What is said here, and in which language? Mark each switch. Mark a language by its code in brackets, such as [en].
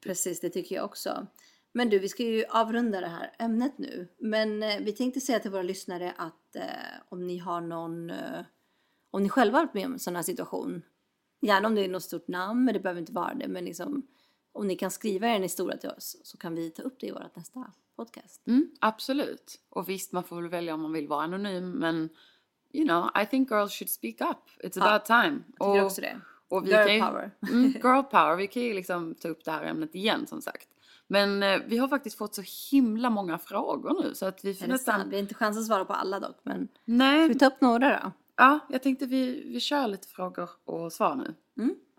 [sv] Precis, det tycker jag också. Men du, vi ska ju avrunda det här ämnet nu, men vi tänkte säga till våra lyssnare att om ni har någon, om ni själva har varit med om en sån här situation, gärna om det är något stort namn, men det behöver inte vara det, men liksom om ni kan skriva er en historia till oss så kan vi ta upp det i vårt nästa podcast. Mm, absolut. Och visst, man får väl välja om man vill vara anonym. [en] Men, you know, I think girls should speak up. It's about time. [sv] Jag tycker också det. Och girl kan, [en] power. Mm, girl power. [sv] Vi kan ju liksom ta upp det här ämnet igen, som sagt. Men vi har faktiskt fått så himla många frågor nu. Så att vi får nästan, vi har inte chans att svara på alla dock. Men nej. Ska vi ta upp några då? Ja, jag tänkte vi kör lite frågor och svar nu. Mm.